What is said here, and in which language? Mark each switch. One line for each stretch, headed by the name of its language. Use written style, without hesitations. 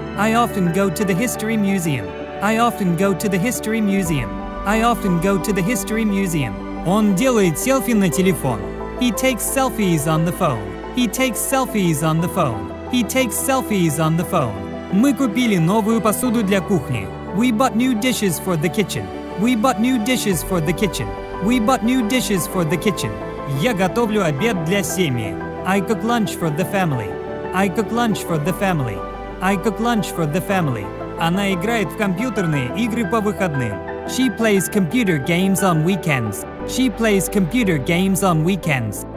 English: I often go to the history museum. I often go to the history museum. I often go to the history museum.
Russian: Он делает селфи на телефон.
English: He takes selfies on the phone. He takes selfies on the phone. He takes selfies on the phone.
Russian: Мы купили новую посуду для кухни.
English: We bought new dishes for the kitchen. We bought new dishes for the kitchen. We bought new dishes for the kitchen.
Russian: Я готовлю обед для семьи.
English: I cook lunch for the family. I cook lunch for the family. I cook lunch for the family.
Russian: Она играет в компьютерные игры по выходным.
English: She plays computer games on weekends. She plays computer games on weekends.